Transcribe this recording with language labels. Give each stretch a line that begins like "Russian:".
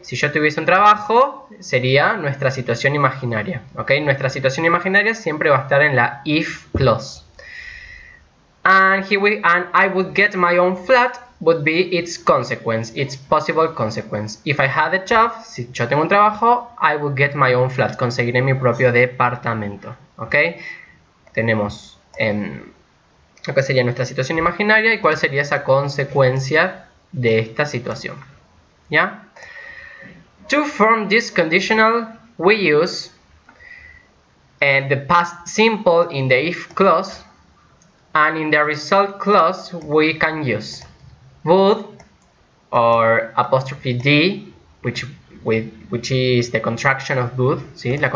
Spanish: Si yo tuviese un trabajo, sería nuestra situación imaginaria, okay? Nuestra situación imaginaria siempre va a estar en la if clause.
English: And I would get my own flat would be its consequence, its possible consequence. If I had a job,
Spanish: si yo tengo un trabajo,
English: I would get my own flat,
Spanish: conseguiré mi propio departamento,
English: okay?
Spanish: Tenemos ¿qué sería nuestra situación imaginaria y cuál sería esa consecuencia de esta situación? ¿Ya?
English: To form this conditional, we use the past simple in the if clause, and in the result clause we can use would or apostrophe d, which is the contraction of would, ¿sí?